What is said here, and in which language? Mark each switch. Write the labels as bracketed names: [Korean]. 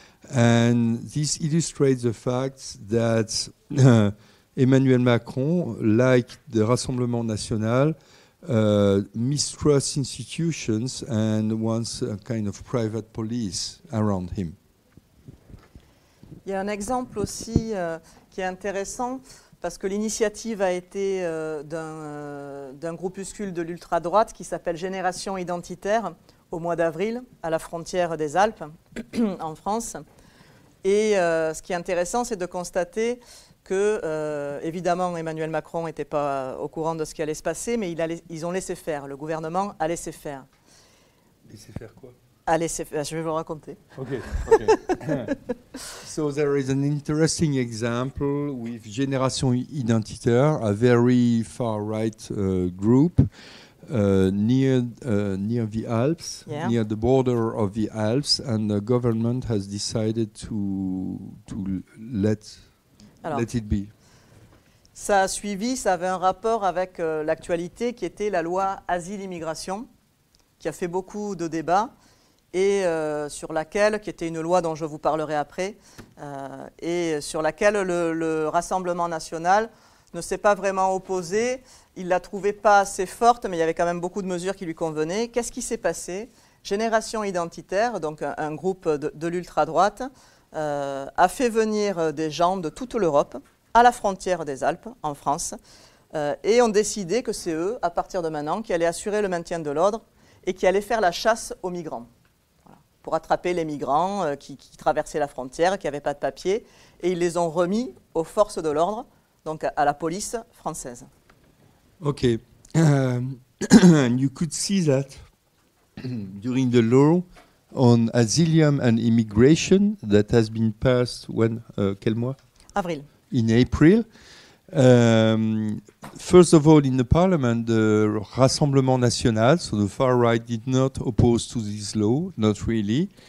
[English] And this illustrates the fact that Emmanuel Macron, like the Rassemblement National, mistrusts institutions and wants a kind of private police around him. [French] Il y a un exemple aussi qui est intéressant, parce que l'initiative a été d'un groupuscule de l'ultra-droite qui s'appelle Génération Identitaire, au mois d'avril, à la frontière des Alpes, en France. Et ce qui est intéressant, c'est de constater que, évidemment, Emmanuel Macron n'était pas au courant de ce qui allait se passer, mais ils ont laissé faire, le gouvernement a laissé faire. Laissé faire quoi ? Allez, je vais vous le raconter. Okay. [English] So there is an interesting example with Génération Identitaire, a very far right group near the Alps, yeah, near the border of the Alps, and the government has decided to let it be. [French] Ça a suivi, ça avait un rapport avec l'actualité qui était la loi asile-immigration, qui a fait beaucoup de débats. Et sur laquelle, qui était une loi dont je vous parlerai après, et sur laquelle le Rassemblement national ne s'est pas vraiment opposé. Il ne la trouvait pas assez forte, mais il y avait quand même beaucoup de mesures qui lui convenaient. Qu'est-ce qui s'est passé ? Génération Identitaire, donc un groupe de l'ultra-droite, a fait venir des gens de toute l'Europe, à la frontière des Alpes, en France, et ont décidé que c'est eux, à partir de maintenant, qui allaient assurer le maintien de l'ordre et qui allaient faire la chasse aux migrants, pour attraper les migrants qui traversaient la frontière, qui n'avaient pas de papier, et ils les ont remis aux forces de l'ordre, donc à la police française. Okay. [English] you could see that during the law on asylum and immigration that has been passed when, [French] quel mois? Avril. [English] In April. First of all, in the parliament, the Rassemblement National, so the far right, did not oppose to this law, not really.